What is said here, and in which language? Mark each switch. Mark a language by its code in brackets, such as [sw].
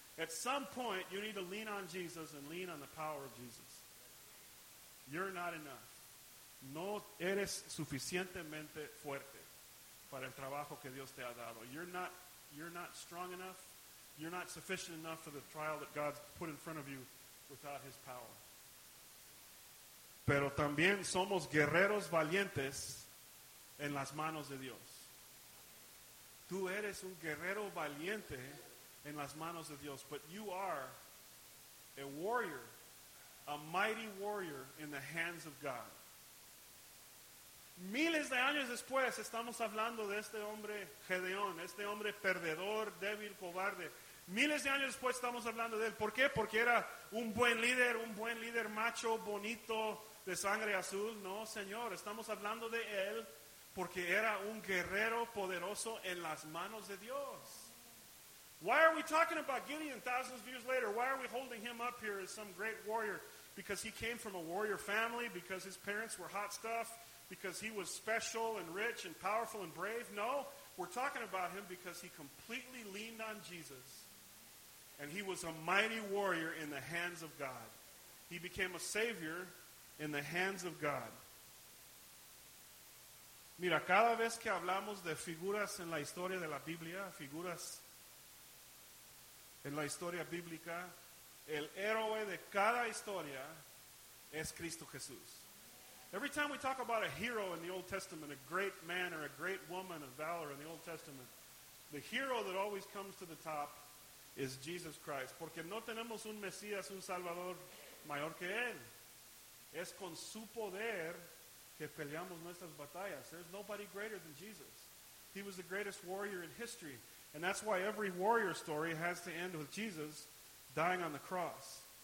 [en] At some point, you need to lean on Jesus and lean on the power of Jesus. You're not enough. [es] No eres suficientemente fuerte para el trabajo que Dios te ha dado. [en] You're not strong enough. You're not sufficient enough for the trial that God's put in front of you without his power. [es] Pero también somos guerreros valientes en las manos de Dios. Tú eres un guerrero valiente en las manos de Dios, [en] but you are a warrior, a mighty warrior in the hands of God. [es] Miles de años después, estamos hablando de este hombre Gedeón, este hombre perdedor, débil, cobarde. Miles de años después estamos hablando de él. ¿Por qué? Porque era un buen líder macho, bonito, de sangre azul. No, Señor, estamos hablando de él porque era un guerrero poderoso en las manos de Dios. [en] Why are we talking about Gideon thousands of years later? Why are we holding him up here as some great warrior? Because he came from a warrior family, because his parents were hot stuff, because he was special and rich and powerful and brave? No, we're talking about him because he completely leaned on Jesus. And he was a mighty warrior in the hands of God. He became a savior in the hands of God. [es] Mira, cada vez que hablamos de figuras en la historia de la Biblia, figuras en la historia bíblica, el héroe de cada historia es Cristo Jesús. [en] Every time we talk about a hero in the Old Testament, a great man or a great woman of valor in the Old Testament, the hero that always comes to the top is Jesus Christ. [es] Porque no tenemos un Mesías, un Salvador mayor que él. Es con su poder que peleamos nuestras batallas. [en] There's nobody greater than Jesus. He was the greatest warrior in history. And that's why every warrior story has to end with Jesus dying on the cross.